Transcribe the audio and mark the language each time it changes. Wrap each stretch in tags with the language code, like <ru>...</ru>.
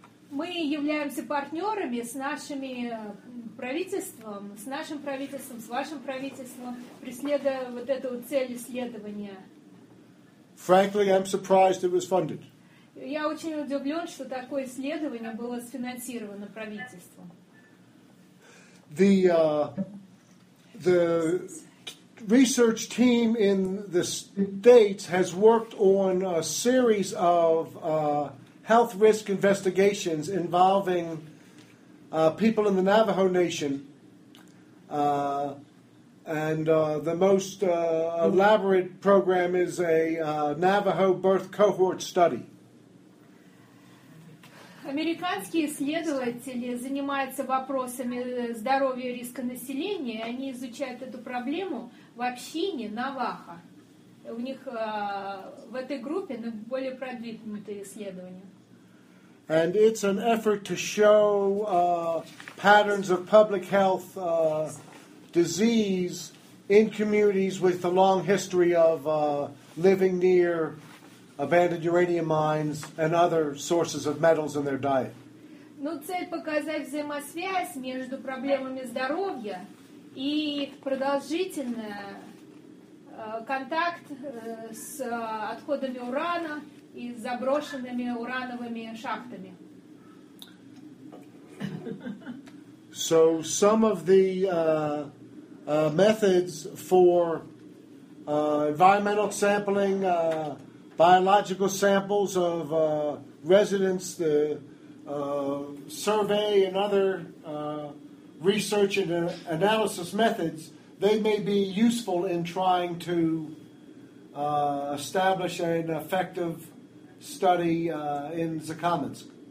<ru>Мы являемся партнерами с нашими правительством, с нашим правительством, с вашим правительством, преследуя вот эту цель исследования.</ru> <en>Frankly, I'm surprised it was funded.</en> <ru>Я очень удивлен, что такое исследование было сфинансировано правительством.</ru> <en>The research team in the States has worked on a series of health risk investigations involving people in the Navajo Nation, and the most elaborate program is a Navajo birth cohort study.</en> <ru>Американские исследователи занимаются вопросами здоровья и риска населения, и они изучают эту проблему в общине Наваха. у них в этой группе наиболее продвинутые исследования.</ru> <en>And it's an effort to show patterns of public health disease in communities with a long history of living near abandoned uranium mines and other sources of metals in their diet.</en> <ru>Ну, цель показать взаимосвязь между проблемами здоровья и продолжительный контакт с отходами урана и заброшенными урановыми шахтами.</ru> <en>So some of the methods for environmental sampling, biological samples of residents, the survey and other research and analysis methods, they may be useful in trying to establish an effective study in Закаменск.</en>